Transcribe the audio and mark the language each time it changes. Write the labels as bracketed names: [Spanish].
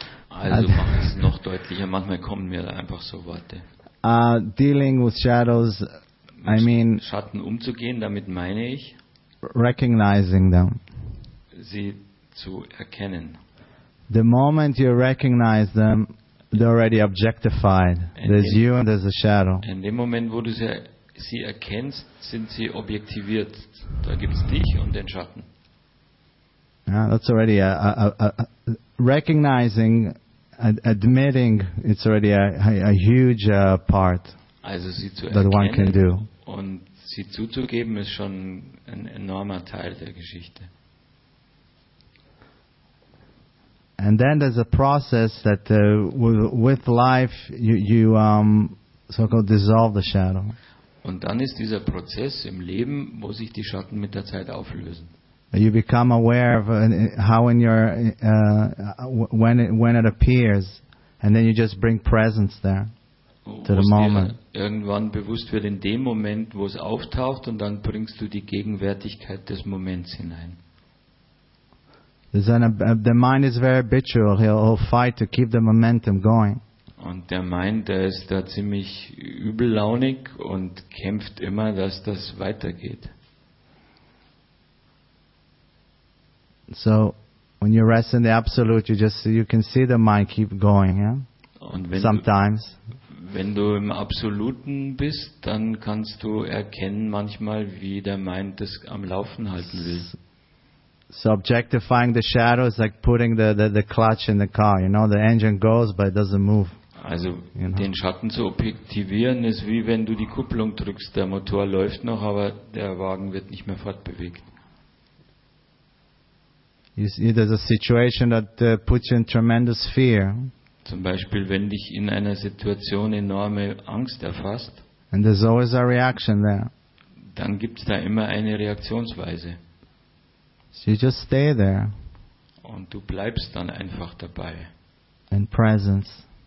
[German] Also, mach es noch deutlicher. Manchmal kommen mir da einfach so Worte. [English] Dealing with shadows, I mean. [German] Schatten umzugehen, damit meine ich. [English] Recognizing them. [German] Sie zu erkennen. [English] The moment you recognize them, they're already objectified. There's you and there's a shadow. [German] In dem Moment, wo du sie erkennst, sind sie objektiviert. Da gibt's dich und den Schatten. [English] That's already recognizing, admitting. It's already a huge part [German] also, sie zu [English] that one can do. [German] Und sie zuzugeben ist schon ein enormer Teil der Geschichte. [English] And then there's a process that with life you so-called dissolve the shadow. [German] Und dann ist dieser Prozess im Leben, wo sich die Schatten mit der Zeit auflösen. [English] You become aware of how in your when it appears, and then you just bring presence there to the moment. [German] Irgendwann bewusst wird in dem Moment, wo es auftaucht, und dann bringst du die Gegenwärtigkeit des Moments hinein. [English] The mind is very habitual. He'll fight to keep the momentum going. [German] Und der Mind, der ist da ziemlich übellaunig und kämpft immer, dass das weitergeht. [English] So when you rest in the absolute, you can see the mind keep going, yeah? [German] Und wenn [English] sometimes. [German] Wenn du im Absoluten bist, dann kannst du erkennen manchmal, wie der Mind das am Laufen halten will. [English] So objectifying the shadow is like putting the clutch in the car, you know, the engine goes but it doesn't move. Also, you know? [German] Den Schatten zu objektivieren ist wie wenn du die Kupplung drückst, der Motor läuft noch, aber der Wagen wird nicht mehr fortbewegt. [English] You see, there's a situation that puts you in tremendous fear. [German] Zum Beispiel, wenn dich in einer Situation enorme Angst erfasst. [English] And there's always a reaction there. [German] Dann gibt's da immer eine Reaktionsweise. [English] So you just stay there. [German] Und du bleibst dann einfach dabei. [English] In presence.